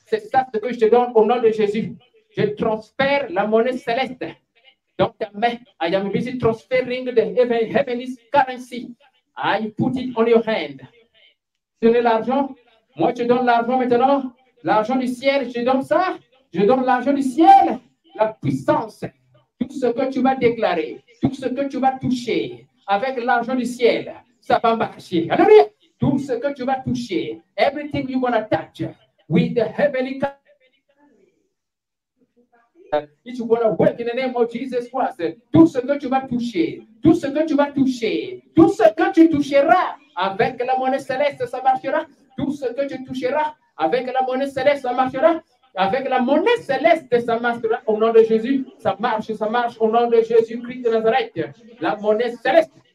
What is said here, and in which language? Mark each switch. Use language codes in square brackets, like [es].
[fr] C'est ça ce que je te donne au nom de Jésus. Je transfère la monnaie céleste. Dans ta main, [en] I am busy transferring the heavenly currency. I put it on your hand. [fr] Donnez l'argent. Moi, je donne l'argent maintenant. L'argent du ciel, je donne ça. Je donne l'argent du ciel. La puissance. Tout ce que tu vas déclarer. Tout ce que tu vas toucher. Avec l'argent du ciel, ça va marcher. Alléluia. Tout ce que tu vas toucher. [en] Everything you want to touch. With the heavenly currency. It's gonna work in the name of Jesus Christ. [fr] Tout ce que tu vas toucher, tout ce que tu toucheras avec la monnaie céleste, ça marchera. Tout ce que tu toucheras avec la monnaie céleste, ça marchera. Avec la monnaie céleste, ça marchera. Au nom de Jésus, ça marche. Au nom de Jésus-Christ de Nazareth, la monnaie céleste.